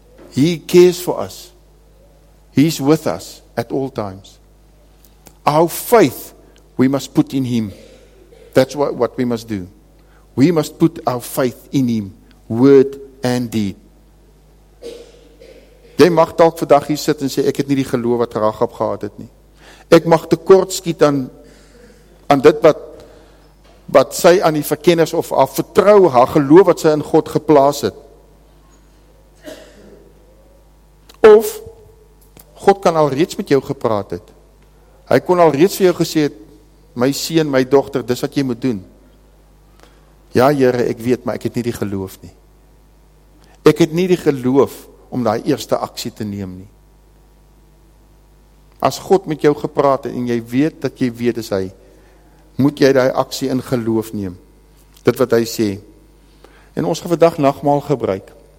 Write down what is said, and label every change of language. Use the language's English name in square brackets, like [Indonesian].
[English] He cares for us. He's with us at all times. Our faith, we must put in Him. That's what we must do. We must put our faith in Him, word and deed. [Afrikaans] Jy mag dalk vandag hier sit en sê, ek het nie die geloof wat Ragab gehad het nie. Ek mag tekort skiet aan dit wat sy aan die verkenners of haar vertrou, haar geloof wat sy in God geplaas het. Of, God kan al reeds met jou gepraat het. Hy kon al reeds vir jou gesê het, my seun, my dogter, dis wat jy moet doen. Ja, Here, ek weet, maar ek het nie die geloof nie. Ek het nie die geloof om daai eerste aksie te neem nie. As God met jou gepraat het en jy weet dat jy weet is hy, moet jy daai aksie in geloof neem. Dit wat hy sê. En ons gaan vandag nagmaal gebruik.